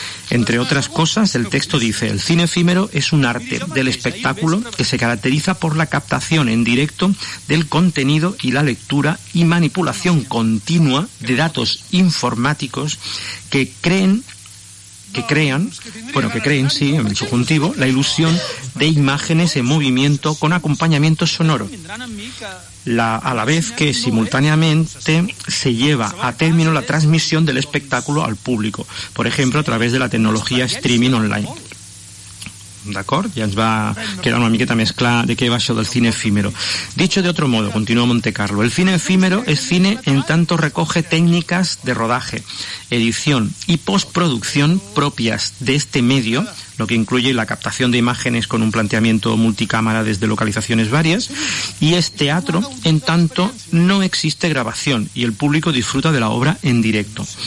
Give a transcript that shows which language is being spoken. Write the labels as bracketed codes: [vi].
[es] Entre otras cosas, el texto dice: el cine efímero es un arte del espectáculo que se caracteriza por la captación en directo del contenido y la lectura y manipulación continua de datos informáticos que crean, en el subjuntivo, la ilusión de imágenes en movimiento con acompañamiento sonoro, a la vez que simultáneamente se lleva a término la transmisión del espectáculo al público, por ejemplo, a través de la tecnología streaming online. [ca] D'acord? Ja ens va quedar una miqueta més clar de què va això del cine efímero. [es] Dicho de otro modo, continúa Montecarlo, el cine efímero es cine en tanto recoge técnicas de rodaje, edición y postproducción propias de este medio, lo que incluye la captación de imágenes con un planteamiento multicámara desde localizaciones varias, y es teatro en tanto no existe grabación y el público disfruta de la obra en directo.